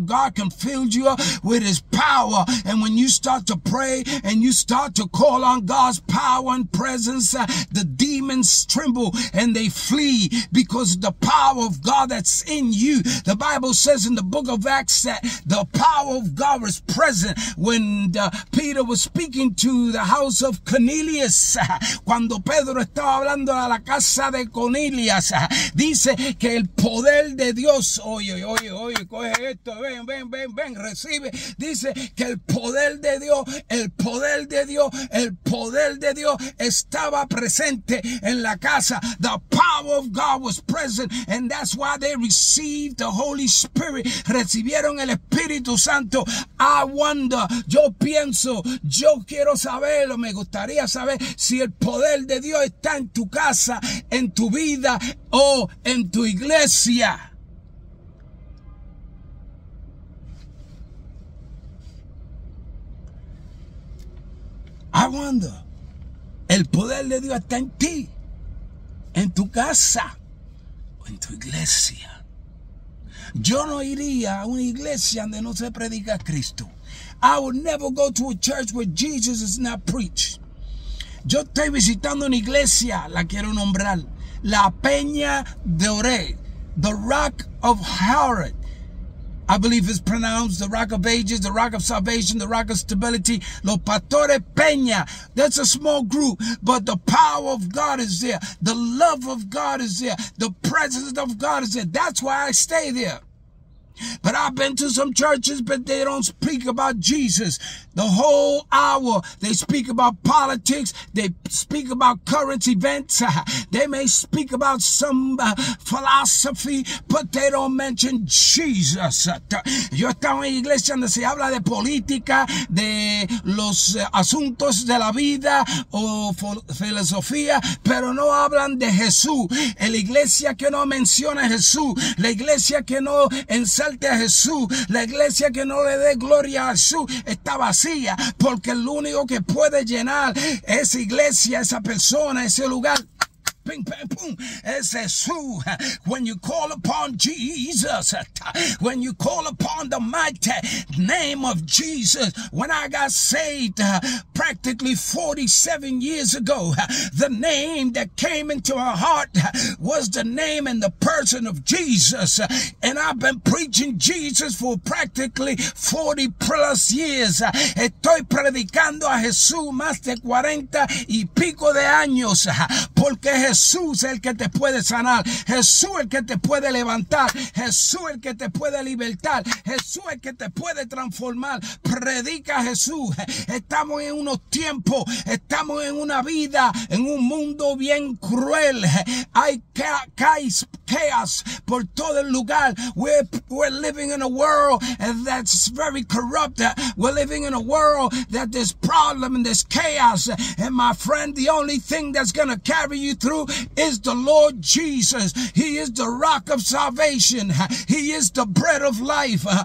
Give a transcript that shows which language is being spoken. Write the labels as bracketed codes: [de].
[en] of God can fill you up with his power. And when you start to pray and you start to call on God's power and presence, the demons tremble and they flee because of the power of God that's in you. The Bible says in the book of Acts that the power of God was present when Peter was speaking to the house of Cornelius. [es] Cuando Pedro estaba hablando a la casa de Cornelius, dice que el poder de Dios, oye, coge esto, ven, recibe. Dice que el poder de Dios estaba presente en la casa. [en] The power of God was present, and that's why they received the Holy Spirit. [es] Recibieron el Espíritu Santo. [en] I wonder, [es] yo pienso, yo quiero saber, o me gustaría saber si el poder de Dios está en tu casa, en tu vida o en tu iglesia. [en] I wonder, [es] el poder de Dios está en ti, en tu casa o en tu iglesia. Yo no iría a una iglesia donde no se predica Cristo. [en] I would never go to a church where Jesus is not preached. [es] Yo estoy visitando una iglesia, la quiero nombrar, la Peña de Oré, [en] the Rock of Horeb. I believe it's pronounced the Rock of Ages, the Rock of Salvation, the Rock of Stability, Los Pastores Peña. That's a small group, but the power of God is there. The love of God is there. The presence of God is there. That's why I stay there. But I've been to some churches, but they don't speak about Jesus. The whole hour, they speak about politics. They speak about current events. They may speak about some philosophy, but they don't mention Jesus. [es] Yo estaba en iglesia donde se habla de política, de los asuntos de la vida o filosofía, pero no hablan de Jesús. La iglesia que no menciona Jesús, la iglesia que no enseña a Jesús, la iglesia que no le dé gloria a Jesús, está vacía, porque el único que puede llenar esa iglesia, esa persona, ese lugar, ping, ping, boom, es Jesús. [en] When you call upon Jesus, when you call upon the mighty name of Jesus, when I got saved practically 47 years ago, the name that came into my heart was the name and the person of Jesus. And I've been preaching Jesus for practically 40 plus years. [es] Estoy predicando a Jesús más de 40 y pico de años, porque Jesús es el que te puede sanar, Jesús el que te puede levantar, Jesús el que te puede libertar, Jesús el que te puede transformar. Predica a Jesús. Estamos en unos tiempos, estamos en una vida, en un mundo bien cruel. Hay chaos por todo el lugar. [en] We're living in a world that's very corrupt. We're living in a world that there's problem and there's chaos. And my friend, the only thing that's going to carry you through is the Lord Jesus. He is the rock of salvation. He is the bread of life.